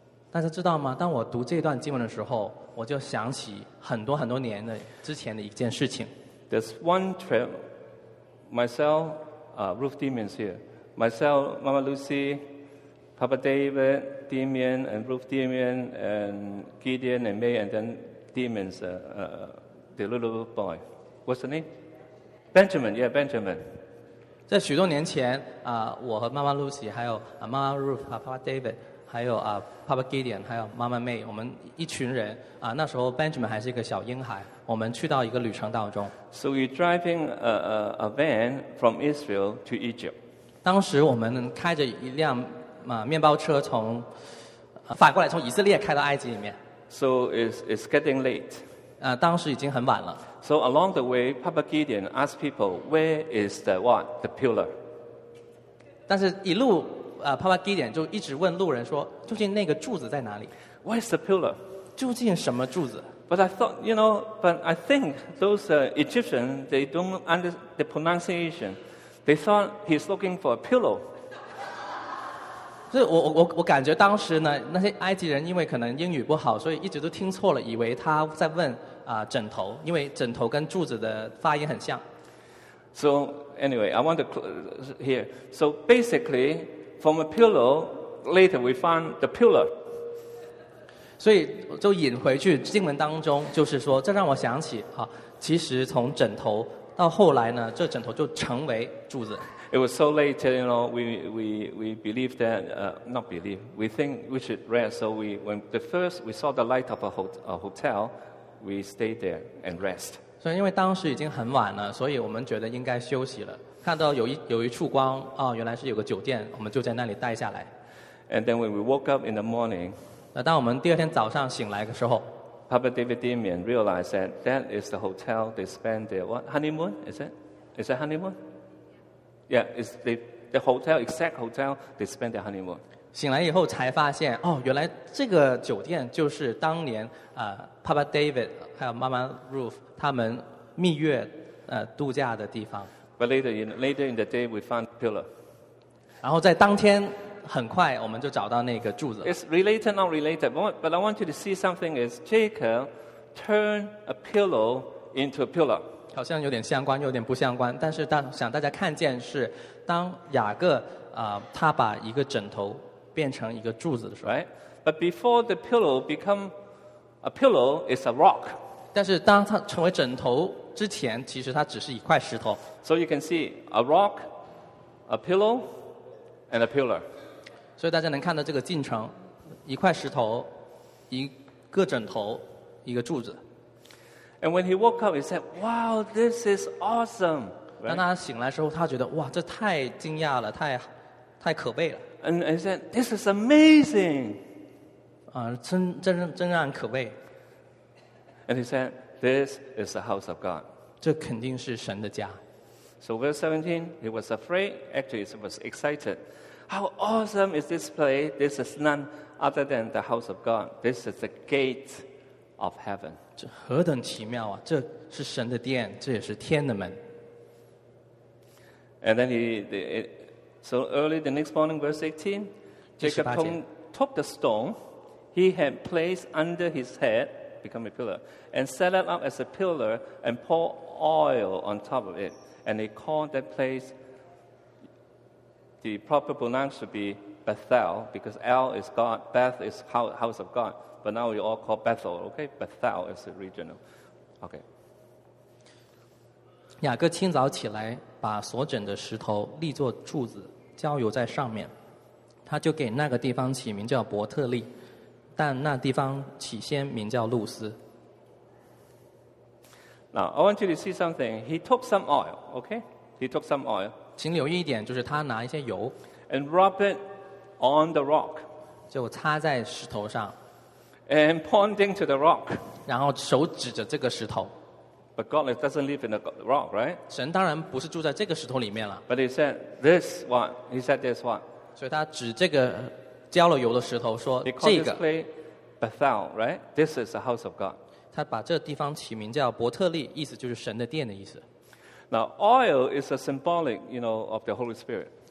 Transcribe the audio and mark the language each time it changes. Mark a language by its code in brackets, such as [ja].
[zh] 大家知道吗？当我读这段经文的时候，我就想起很多很多年的之前的一件事情。 [en] There's one trip. Myself, Ruth Demian is here. Myself, Mama Lucy, Papa David, Demian, and Ruth Demian, and Gideon, and May, and then Demian's the little boy. What's the name? Benjamin, yeah, Benjamin. [zh] 在许多年前，我和 Mama Lucy, 还有 Mama Ruth, Papa David, 还有 Papa Gideon, 还有 Mama May, 我们一群人，那时候 Benjamin 还是一个小婴孩。我们去到一个旅程当中。 [en] So we driving a van from Israel to Egypt. [zh] 当时我们开着一辆面包车从反过来从以色列开到埃及里面。 [en] So it's getting late. [zh] 当时已经很晚了。 [en] So along the way, Papa Gideon asked people, "Where is the what? The pillar?" [zh] 但是一路Papa Gideon 就一直问路人说，究竟那个柱子在哪里 [en] ？Where is the pillar? [zh] 究竟什么柱子？ [en] But I thought, you know, but I think those Egyptians, they don't understand the pronunciation. They thought he's looking for a pillow. [zh] 所以我感觉当时呢，那些埃及人因为可能英语不好，所以一直都听错了，以为他在问枕头，因为枕头跟柱子的发音很像。 [en] So anyway, I want to hear. So basically, from a pillow, later we found the pillar. [zh] 所以就引回去经文当中，就是说，这让我想起啊，其实从枕头到后来呢，这枕头就成为柱子。 [en] It was so late, you know. We believe that not believe. We think we should rest. So we when the first we saw the light of a hotel, we stayed there and rest. [zh] 所以因为当时已经很晚了，所以我们觉得应该休息了。看到有一束光啊，原来是有个酒店，我们就在那里待下来。 [en] And then when we woke up in the morning. [zh] 当我们第二天早上醒来的时候 [en] ，Papa David Demian realized that that is the hotel they spend their what honeymoon is it? Is it honeymoon? Yeah, it's the hotel exact hotel they spend their honeymoon. [zh] 醒来以后才发现，哦，原来这个酒店就是当年Papa David 还有 Mama Ruth 他们蜜月度假的地方。 [en] But later in the day we found the pillar. [zh] 然后在当天。很快我们就找到那个柱子。 [en] It's related, not related. But I want you to see something is Jacob turned a pillow into a pillar. [zh] 好像有点相关，有点不相关。但是想大家看见是，当雅各他把一个枕头变成一个柱子的时候。 [en] Right. But before the pillow become a pillow, it's a rock. [zh] 但是当它成为枕头之前，其实它只是一块石头。 [en] So you can see a rock, a pillow, and a pillar. [zh] 所以大家能看到这个进程，一块石头，一个枕头，一个柱子。 [en] And when he woke up, he said, "Wow, this is awesome!" [zh] 当他醒来的时候，他觉得哇，这太惊讶了，太可悲了。 [en] And he said, "This is amazing!" [zh] 真让人可悲。 [en] And he said, "This is the house of God." [zh] 这肯定是神的家。 [en] So verse 17, he was afraid. Actually, he was excited. How awesome is this place? This is none other than the house of God. This is the gate of heaven. [zh] 这何等奇妙啊！这是神的殿，这也是天的门。 [en] And then so early the next morning, verse 18, Jacob took the stone he had placed under his head, become a pillar, and set it up as a pillar and pour oil on top of it. And he called that place, the proper pronoun should be Bethel, because El is God, Beth is house of God. But now we all call Bethel, okay? Bethel is the regional. Okay. [zh] 雅各清早起来，把所整的石头立作柱子，浇油在上面。他就给那个地方起名叫伯特利，但那地方起先名叫路斯。 [en] Now, I want you to see something. He took some oil, okay? He took some oil. [zh] 请留意一点，就是他拿一些油。 [en] And rub it on the rock. [zh] 就擦在石头上。 [en] And pointing to the rock. [zh] 然后手指着这个石头。 [en] But God doesn't live in the rock, right? [zh] 神当然不是住在这个石头里面了。 [en] But he said this one. [zh] 所以他指这个浇了油的石头说这个。 [en] He called this place Bethel, right? This is the house of God. [zh] 他把这地方起名叫伯特利，意思就是神的殿的意思。 [en] Now oil is a symbolic, you know, of the Holy Spirit.